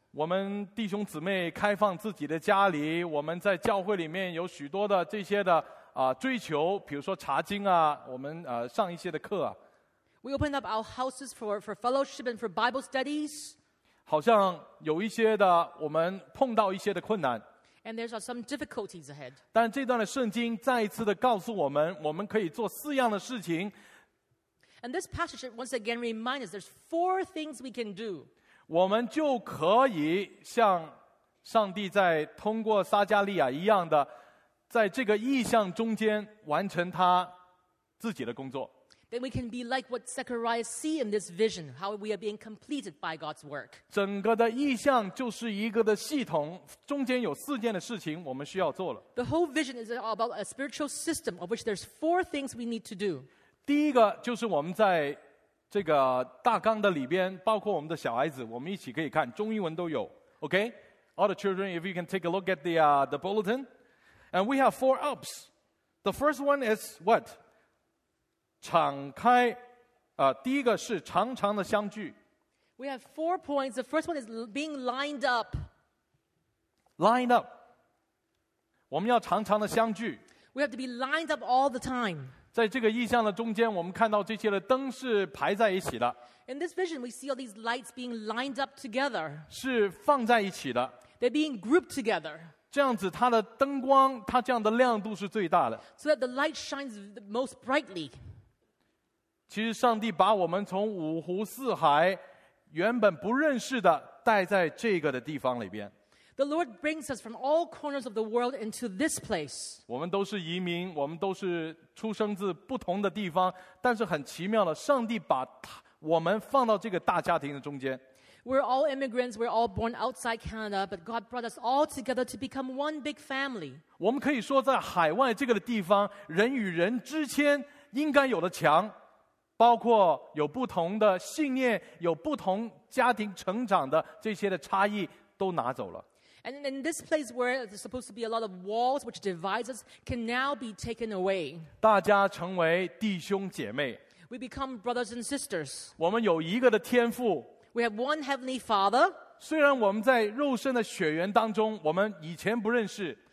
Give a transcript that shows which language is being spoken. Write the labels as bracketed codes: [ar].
[zh] 我们弟兄姊妹开放自己的家里，我们在教会里面有许多的这些的追求，比如说查经啊，我们上一些的课啊。 [en] We opened up our houses for fellowship and for Bible studies. [zh] 好像有一些的，我们碰到一些的困难。 [en] And there are some difficulties ahead. [zh] 但这段的圣经再一次的告诉我们，我们可以做四样的事情。 [en] And this passage once again reminds us there's four things we can do. [zh] 我们就可以像上帝在通过撒加利亚一样的。在这个意象中间完成他自己的工作。 [en] Then we can be like what Zechariah see in this vision, how we are being completed by God's work. [zh] 整个的意象就是一个的系统，中间有四件的事情我们需要做了。 [en] The whole vision is about a spiritual system of which there's four things we need to do. [zh] 第一个就是我们在这个大纲的里边，包括我们的小孩子，我们一起可以看，中英文都有。 [en] Okay? All the children, if you can take a look at the bulletin. And we have four ups. The first one is what? [zh] 敞开，第一个是长长的相聚。 [en] We have four points. The first one is being lined up. Lined up. [zh] 我们要长长的相聚。 [en] We have to be lined up all the time. [zh] 在这个意象的中间，我们看到这些的灯是排在一起的。 [en] In this vision, we see all these lights being lined up together. [zh] 是放在一起的。 [en] They're being grouped together. [zh] 这样子它的灯光它这样的亮度是最大的。 [en] So that the light shines the most brightly. [zh] 其实上帝把我们从五湖四海原本不认识的带在这个的地方里边。 [en] The Lord brings us from all corners of the world into this place. [zh] 我们都是移民，我们都是出生自不同的地方，但是很奇妙的，上帝把我们放到这个大家庭的中间。 [en] We're all immigrants, we're all born outside Canada, but God brought us all together to become one big family. [zh] 我们可以说在海外这个的地方，人与人之间应该有的墙，包括有不同的信念，有不同家庭成长的这些的差异都拿走了。 [en] And in this place where there's supposed to be a lot of walls which divide us can now be taken away. [zh] 大家成为弟兄姐妹。 [en] We become brothers and sisters. [zh] 我们有一个的天父。 [en] We have one heavenly Father. [zh] 虽然我们在肉身的血缘当中，我们以前不认识。